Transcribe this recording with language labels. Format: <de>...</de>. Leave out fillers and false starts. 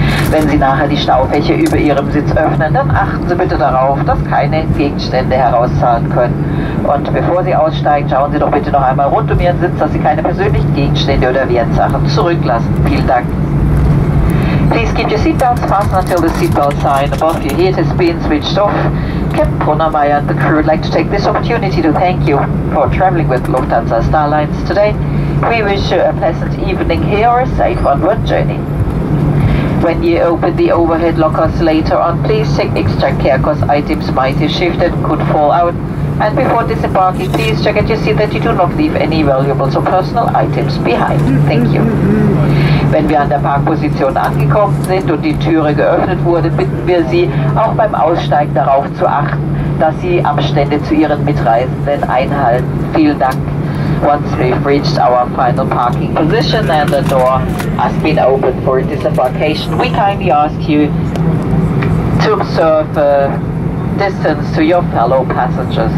<de>Wenn Sie nachher die Staufächer über Ihrem Sitz öffnen, dann achten Sie bitte darauf, dass keine Gegenstände herauszahlen können. Und bevor Sie aussteigen, schauen Sie doch bitte noch einmal rund um Ihren Sitz, dass Sie keine persönlichen Gegenstände oder Wertsachen zurücklassen. Vielen Dank.</de> <en>Please keep your seatbelts fastened until the seatbelt sign above your head has been switched off. Captain Brunnermeier and the crew would like to take this opportunity to thank you for traveling with Lufthansa Starlines today. We wish you a pleasant evening here or a safe onward journey. When you open the overhead lockers later on, please take extra care because items might have shifted, could fall out. And before disembarking, please check at your seat that you do not leave any valuables or personal items behind. Thank you.</en> <de>Wenn wir an der Parkposition angekommen sind und die Türe geöffnet wurde, bitten wir Sie, auch beim Aussteigen darauf zu achten, dass Sie Abstände zu Ihren Mitreisenden einhalten. Vielen Dank.</de> <en>Once we've reached our final parking position and the door has been opened for disembarkation, we kindly ask you to observe distance to your fellow passengers.</en>